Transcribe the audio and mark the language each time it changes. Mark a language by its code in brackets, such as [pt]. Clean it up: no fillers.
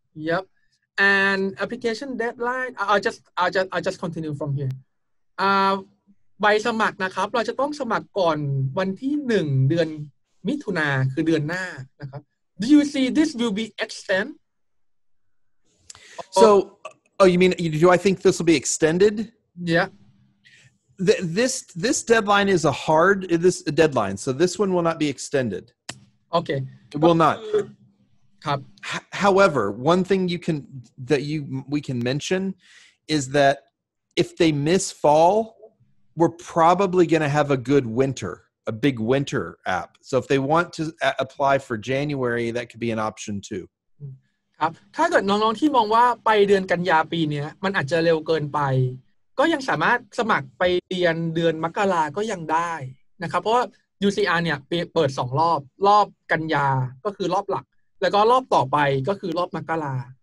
[en] Yep And application deadline I'll just continue from here [th] ใบสมัครนะครับเราจะต้องสมัครก่อนวันที่1เดือนมิถุนาคือเดือนหน้านะครับ [en] Do you see this will be extended? So, oh, you mean, do I think this will be extended? Yeah. This deadline is a hard this deadline, so this one will not be extended. Okay. It will not. Top. However, one thing you can, that you, we can mention is that if they miss fall, we're probably going to have a good winter. A big winter app. So if they want to apply for January, that could be an option too. [th] ครับถ้าเกิดน้องๆที่มองว่าไปเดือนกันยาปีนี้มันอาจจะเร็วเกินไปก็ยังสามารถสมัครไปเรียนเดือนมกราก็ยังได้นะครับเพราะว่า UCR เนี่ยเปิด2รอบรอบกันยาก็คือรอบหลักแล้วก็รอบต่อไปก็คือรอบมกรา